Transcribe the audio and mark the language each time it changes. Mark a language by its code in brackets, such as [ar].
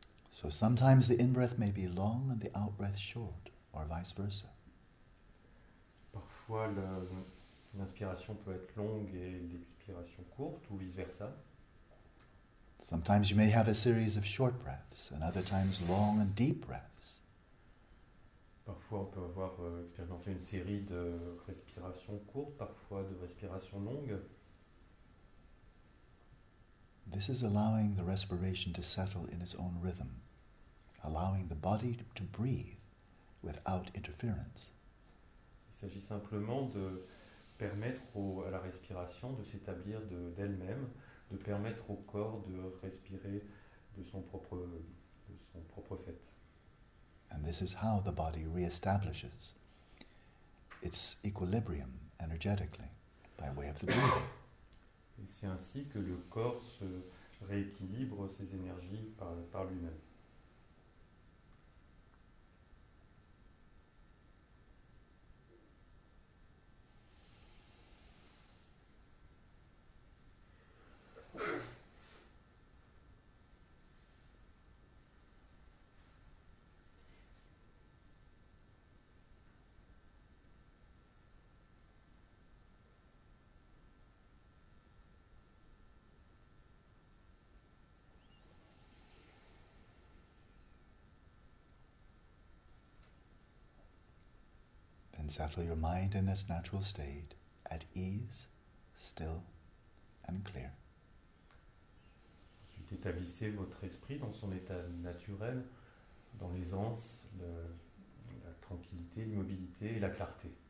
[en] So sometimes the in-breath may be long and the out-breath short, or vice versa. [fr] Parfois l'inspiration peut être longue et l'expiration courte, ou vice versa. [en] Sometimes you may have a series of short breaths, and other times long and deep breaths. [fr] Parfois on peut avoir expérimenté une série de respirations courtes, parfois de respirations longues. [en] This is allowing the respiration to settle in its own rhythm, allowing the body to breathe without interference. [fr] Il s'agit simplement de permettre à la respiration de s'établir d'elle-même, de permettre au corps de respirer de son propre fait. [en] And this is how the body reestablishes its equilibrium energetically by way of the breathing. [fr] Et c'est ainsi que le corps se rééquilibre ses énergies par lui-même. [en] Settle your mind in its natural state, at ease, still, and clear. [fr] Ensuite, établissez votre esprit dans son état naturel, dans l'aisance, la tranquillité, l'immobilité et la clarté.